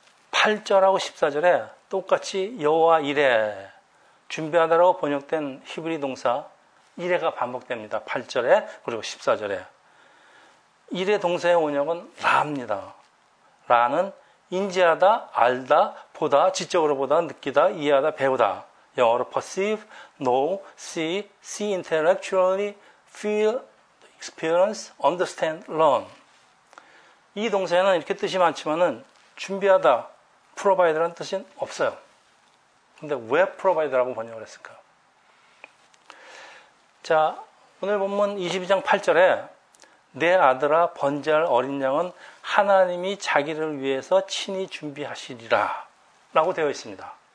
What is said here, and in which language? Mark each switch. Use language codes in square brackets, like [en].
[ko] 8절하고 14절에 똑같이 여호와 이레, 준비하다라고 번역된 히브리 동사 이레가 반복됩니다. 8절에 그리고 14절에. 이레 동사의 원형은 라입니다. 라는 인지하다, 알다, 보다, 지적으로 보다, 느끼다, 이해하다, 배우다. 영어로 [en] perceive, know, see, see intellectually, feel, experience, understand, learn. [ko] 이 동사에는 이렇게 뜻이 많지만은 준비하다, 프로바이더라는 뜻은 없어요. 근데 왜 프로바이더라고 번역을 했을까? 자, 오늘 본문 22장 8절에 내 아들아, 번제할 어린 양은 하나님이 자기를 위해서 친히 준비하시리라 라고 되어 있습니다.